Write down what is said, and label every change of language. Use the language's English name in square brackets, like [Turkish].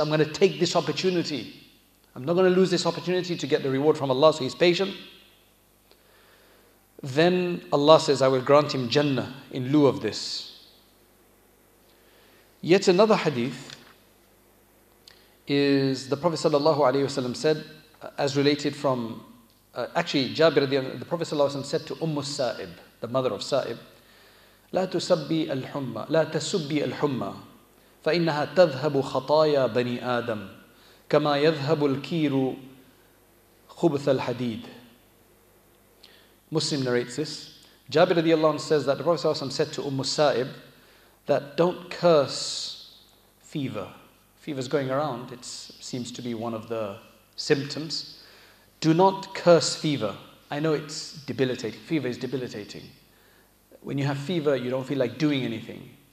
[English] I'm going to take this opportunity. I'm not going to lose this opportunity to get the reward from Allah. So he's patient. Then Allah says, I will grant him Jannah in lieu of this. Yet another hadith is the Prophet ﷺ said, as related from, actually, Jabir, the Prophet ﷺ said to Umm Sa'ib, the mother of Sa'ib, [Arabic] لا تسبي الحمى لا تسبي الحمى فإنها تذهب خطايا بني آدم كما يذهب الكير خبث الحديد. [English] Muslim narrates this. Jabir radiallahu anhu says that the Prophet ﷺ said to Umm Sa'ib that don't curse fever. Fever's going around. It seems to be one of the symptoms. Do not curse fever. I know it's debilitating. Fever is debilitating. When you have fever, you don't feel like doing anything.